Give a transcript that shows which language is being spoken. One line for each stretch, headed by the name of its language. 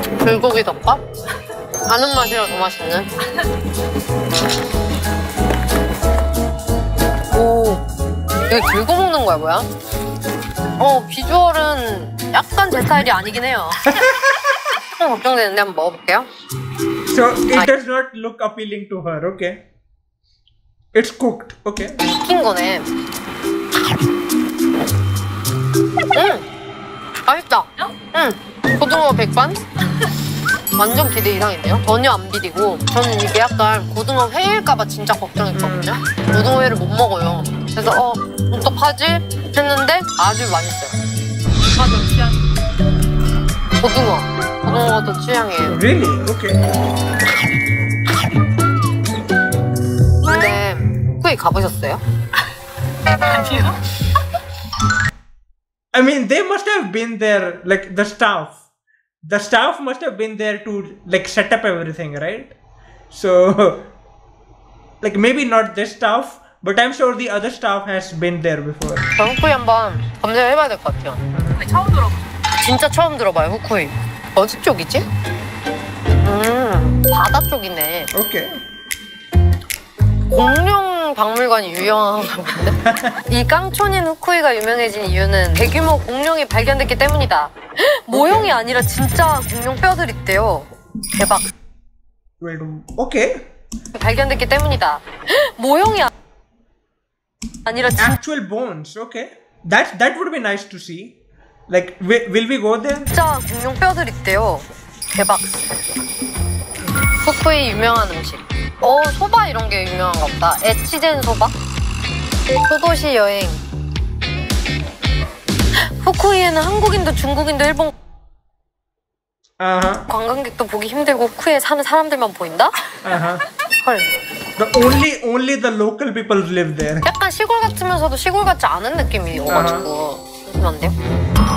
Korean: 불고기 덮밥? 아는 맛이라 더 맛있네. 오, 이게 들고 먹는 거야, 뭐야? 어, 비주얼은 약간 제 스타일이 아니긴 해요. 좀 걱정되는데 한번 먹어볼게요.
English: So it does not look appealing to her, okay? It's cooked, okay?
Korean: 익힌 거네. 맛있다. 고등어 백반? 완전 기대 이상인데요? 전혀 안 비리고 저는 이게 약간 고등어 회일까봐 진짜 걱정했거든요? 고등어 회를 못 먹어요. 그래서 어떡하지? 했는데 아주 맛있어요. 맞아, 취향. 고등어. 고등어도 취향이에요.
English: Really? Okay.
Korean: 근데 후쿠이 가보셨어요? 아니요.
English: I mean, they must have been there, like the staff. The staff must have been there to like set up everything, right? So, like maybe not this staff, but I'm sure the other staff has been there before.
Korean: 저 후쿠이 한번 검색해봐야 될 것 같아요. 아니, 처음 들어봐. 진짜 처음 들어봐요, 후쿠이. 어디 쪽이지? 바다 쪽이네. 오케이. 공룡 박물관이 유명한가 본데? 이 깡촌인 후쿠이가 유명해진 이유는 대규모 공룡이 발견됐기 때문이다. 모형이 okay. 아니라 진짜 공룡 뼈들 있대요. 대박. 왜 오케이. 발견됐기 때문이다. 모형이 아니라
English: Actual bones, okay. That would be nice to see. Like, will we go there?
Korean: 진짜 공룡 뼈들 있대요. 대박. 후쿠이 유명한 음식. 어, 소바 이런 게 유명한가 보다. 에치젠 소바? 소도시 여행. 후쿠이에는 한국인도 중국인도 일본 관광객도 보기 힘들고 후쿠이에 사는 사람들만 보인다? 헐.
English: Only the local people live there.
Korean: 약간 시골 같으면서도 시골 같지 않은 느낌이어가지고 그런데요?